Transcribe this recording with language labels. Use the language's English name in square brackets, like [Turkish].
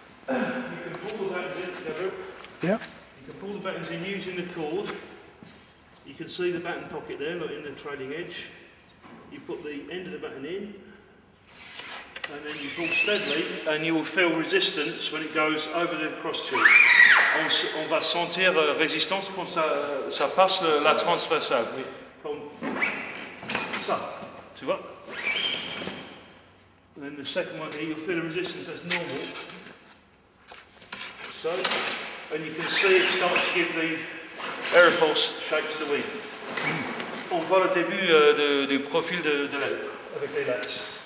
[English] You can pull the battens in together. Yeah. You can pull the battens in using the cord. You can see the batten pocket there, like in the trailing edge. You put the end of the batten in, and then you pull steadily, and you will feel resistance when it goes over the cross tube. [French] On va sentir résistance quand ça passe la transversale. Oui. Ça, tu vois? [English] And then the second one here, you'll feel the resistance, that's normal. So, and you can see it starts to give the aerofoils shape to the wing. [French] On voit le début du profil de l'aile, avec les lattes.